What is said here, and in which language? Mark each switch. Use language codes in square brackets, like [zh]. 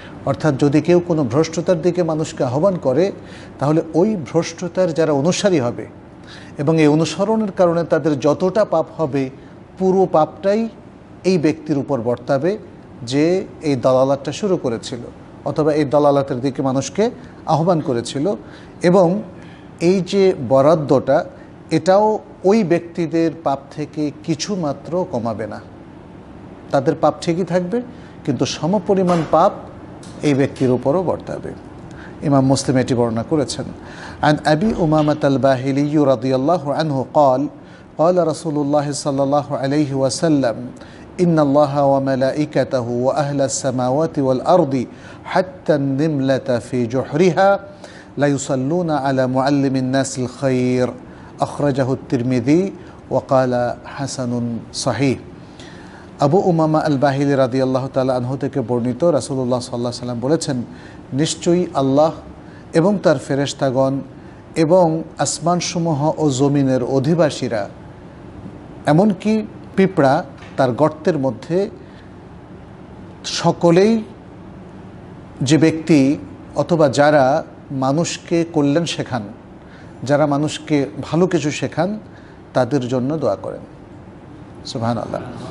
[bn] অর্থাৎ যদি কেউ কোনো ভ্রষ্টতার দিকে মানুষকে আহ্বান করে তাহলে ওই ভ্রষ্টতার যারা অনুসারী হবে এবং এই অনুসরণের কারণে তাদের যতটা পাপ হবে পুরো পাপটাই এই ব্যক্তির উপর বর্তাবে যে এই দালালাতটা শুরু করেছিল অথবা এই দালালাতের দিকে মানুষকে আহ্বান করেছিল। এবং এই যে বরাদ্দটা, এটাও ওই ব্যক্তিদের পাপ থেকে কিছু মাত্র কমাবে না, তাদের পাপ ঠিকই থাকবে কিন্তু সমপরিমাণ পাপ এই ব্যক্তির উপরও বর্তাবে। ইমাম মুসলিম এটি বর্ণনা করেছেন। [ar] আন আবি উমামাত আল বাহিলি রাদিয়াল্লাহু আনহু قال قال رسول الله صلى الله عليه وسلم ان الله وملائكته واهل السماوات والارض حتى النملة في جحرها لا يصلون على معلم الناس الخير আখরাজাহু তিরমিজি ওয়া ক্বালা হাসানুন সহীহ। [bn] আবু উমামা আল বাহিলি রাদিয়াল্লাহু তাআলা আনহু থেকে বর্ণিত, রাসূলুল্লাহ সাল্লাল্লাহু আলাইহি ওয়াসাল্লাম বলেছেন, নিশ্চয়ই আল্লাহ এবং তার ফেরেশতাগণ এবং আসমানসমূহ ও জমিনের অধিবাসীরা এমনকি পিঁপড়া তার গর্তের মধ্যে সকলেই, যে ব্যক্তি অথবা যারা মানুষকে কল্যাণ শেখান, যারা মানুষকে ভালো কিছু শেখান তাদের জন্য দোয়া করেন। সুবহানাল্লাহ।